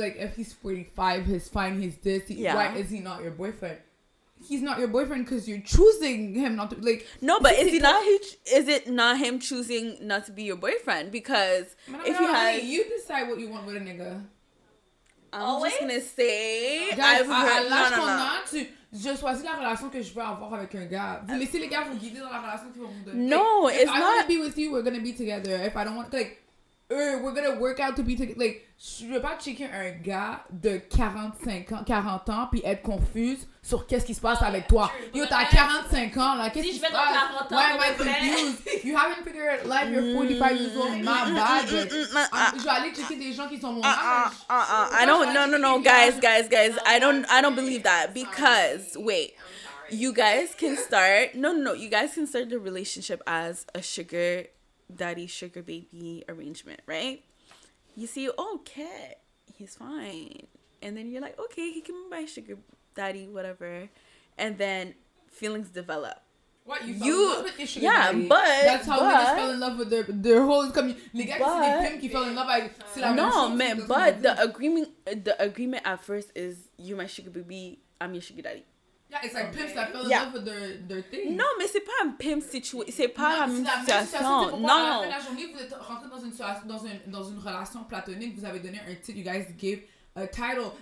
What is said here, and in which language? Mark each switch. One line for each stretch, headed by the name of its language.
English: Like, if he's 45, he's fine. He's this. Yeah. Why is he not your boyfriend? He's not your boyfriend because you're choosing him not to, like... No, but is it not him choosing not to be your boyfriend? Because you decide what you want with a nigga. Always? I'm just going to say...
French: Je choisis la relation que je veux avoir avec un gars. Vous laissez les gars vous guider dans la relation qu'ils vont vous donner.
English: No, like, it's if not... If I want to be with you, we're going to be together. If I don't want... Like, we're going to work out to be together.
French: Like, je veux pas checker un gars de 45 ans, 40 ans, puis être confuse sur qu'est-ce qui se passe avec toi. True. Yo, t'as 45 ans, là, qu'est-ce qui se passe? Si je vais dans 40 ans,
English: why am I confused? You haven't figured out life, you're 45 years old, my bad.
French: Je vais aller checker des gens qui sont mon âge.
English: I don't, no, guys, I don't believe that, because, wait, you guys can start, you guys can start the relationship as a sugar daddy, sugar baby arrangement, right? You see, Kit, he's fine. And then you're like, okay, he can be my sugar daddy, whatever. And then feelings develop. What, you fell in love with your sugar daddy? Yeah, but... That's how we just fell in love with their whole community.
French: Les gars, c'est des pimps qui
English: fell in love
French: avec...
English: The agreement at first is, you're my sugar baby, I'm your sugar daddy. Yeah, it's like okay. Pimps that fell in love with their thing.
French: Non, mais c'est pas un pimp situation. C'est pas la même situation. Non. La journée, vous êtes rentré dans une relation platonique, vous avez donné un titre,
English: you guys gave a title.